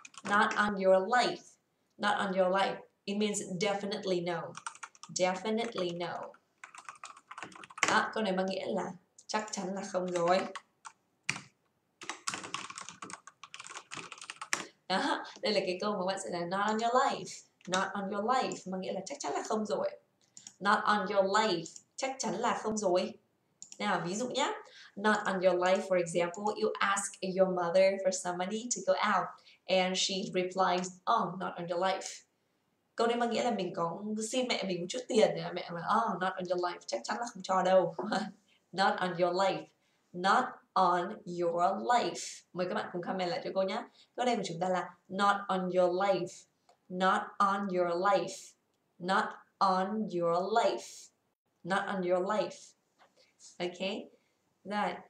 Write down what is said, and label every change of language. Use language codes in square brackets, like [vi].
[en] Not on your life. Not on your life. It means definitely no. Definitely no. Đó, câu này mang nghĩa là [vi] Chắc chắn là không rồi. Đó, đây là cái câu mà bạn sẽ là not on your life. Not on your life mà nghĩa là chắc chắn là không rồi. Not on your life, chắc chắn là không rồi. Nào, ví dụ nhé. [en] Not on your life, for example, you ask your mother for some money to go out and she replies, oh, not on your life. [vi] Câu này mà nghĩa là mình có xin mẹ mình một chút tiền, mẹ mà, oh, not on your life, chắc chắn là không cho đâu. Not on your life. Not on your life. Mời các bạn cùng comment lại cho cô nhé. Câu này của chúng ta là not on your life. [en] Not on your life. Not on your life. Not on your life. Okay? Rồi.